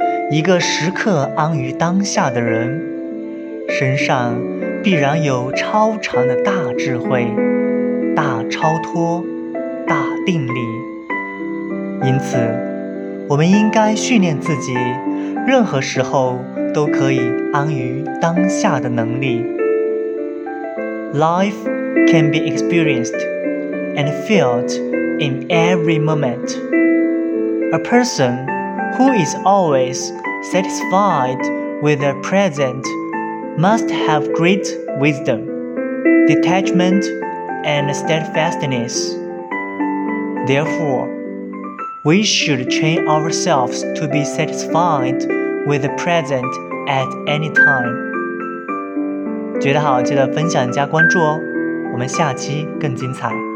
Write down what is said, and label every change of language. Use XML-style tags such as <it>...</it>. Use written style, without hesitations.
<zh>一个时刻安于当下的人，身上必然有超常的大智慧、大超脱、大定力。因此，我们应该训练自己，任何时候都可以安于当下的能力。</zh> <en>Life can be experienced and felt in every moment. A person who is always satisfied with the present must have great wisdom, detachment, and steadfastness. Therefore, we should train ourselves to be satisfied with the present at any time.</en> <zh>觉得好，记得分享加关注哦，我们下期更精彩。</zh>